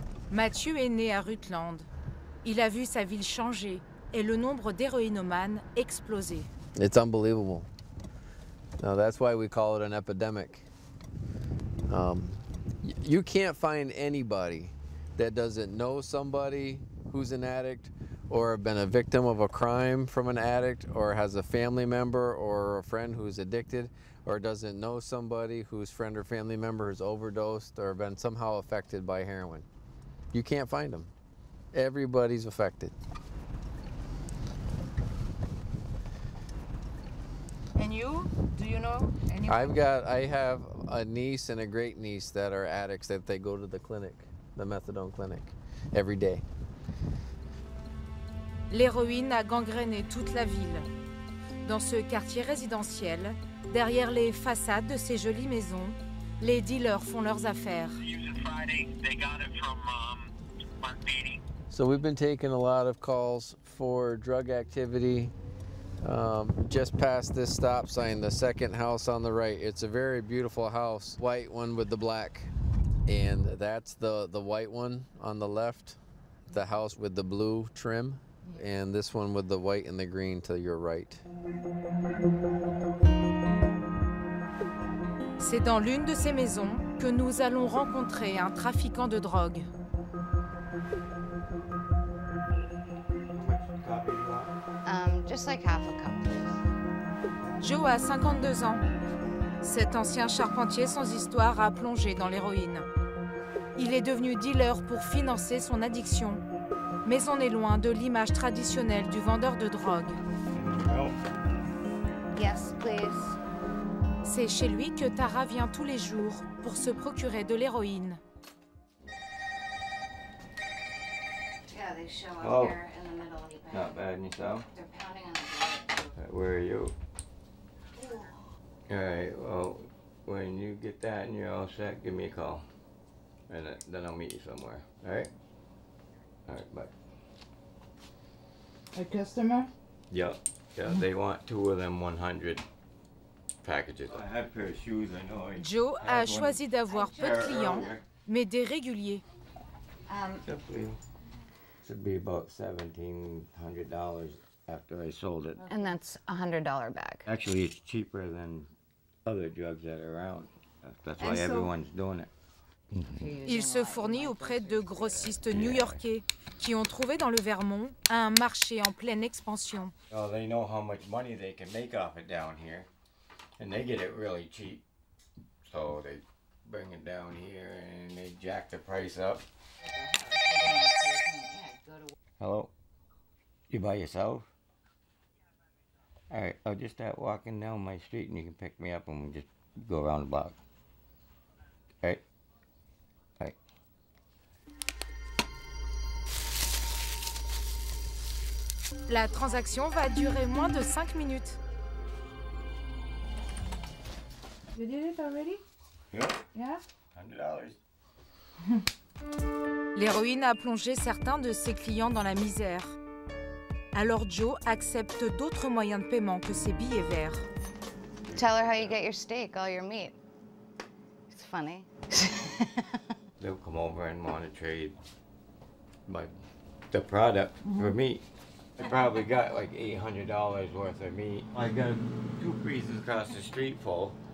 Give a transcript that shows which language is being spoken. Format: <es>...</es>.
<fr>Mathieu est né à Rutland. Il a vu sa ville changer et le nombre d'héroïnomanes explosé.</fr> <en>It's unbelievable. Now that's why we call it an epidemic. You can't find anybody that doesn't know somebody who's an addict or been a victim of a crime from an addict or has a family member or a friend who's addicted or doesn't know somebody whose friend or family member has overdosed or been somehow affected by heroin. You can't find them. Everybody's affected. And you, do you know anyone? I have a niece and a great niece that are addicts that they go to the clinic, the methadone clinic, every day.</en> <fr>L'héroïne a gangréné toute la ville. Dans ce quartier résidentiel, derrière les façades de ces jolies maisons, les dealers font leurs affaires.</fr> <en>So we've been taking a lot of calls for drug activity. Just past this stop sign, the second house on the right. It's a very beautiful house, white one with the black. And that's the white one on the left, the house with the blue trim, and this one with the white and the green to your right.</en> <fr>C'est dans l'une de ces maisons que nous allons rencontrer un trafiquant de drogue.</fr> <en>Just like half a cup.</en> <fr>Joe a 52 ans. Cet ancien charpentier sans histoire a plongé dans l'héroïne. Il est devenu dealer pour financer son addiction. Mais on est loin de l'image traditionnelle du vendeur de drogue.</fr> <en>Yes, please.</en> <fr>C'est chez lui que Tara vient tous les jours pour se procurer de l'héroïne.</fr> <en>Yeah, they show up here in the middle. Not bad, and yourself? They're pounding on the door. Where are you? Yeah. All right, well, when you get that and you're all set, give me a call. And then I'll meet you somewhere, all right? All right, bye. A customer? Yeah, they want two of them 100 packages. I have a pair of shoes, I know.</en> <fr>Joe a choisi d'avoir peu de clients, mais des réguliers.</fr> <en>Should be about $1,700 after I sold it. And that's a $100 bag. Actually, it's cheaper than other drugs that are around. That's why everyone's doing it.</en> <fr>Il se fournit auprès de grossistes new-yorkais qui ont trouvé dans le Vermont un marché en pleine expansion.</fr> <en>Oh, they know how much money they can make off it down here, and they get it really cheap. So they bring it down here and they jack the price up. Hello? You by yourself? All right, I'll just start walking down my street and you can pick me up and we'll just go around the block. All right? All right.</en> <fr>La transaction va durer moins de 5 minutes.</fr> <en>You did it already? Yeah. $100.</en> <fr>L'héroïne a plongé certains de ses clients dans la misère. Alors Joe accepte d'autres moyens de paiement que ses billets verts.</fr> <en>Tell her how you get your steak, all your meat. It's funny. They'll come over and want to trade the product for meat. I probably got like $800 worth of meat. I got two pieces across the street full.</en>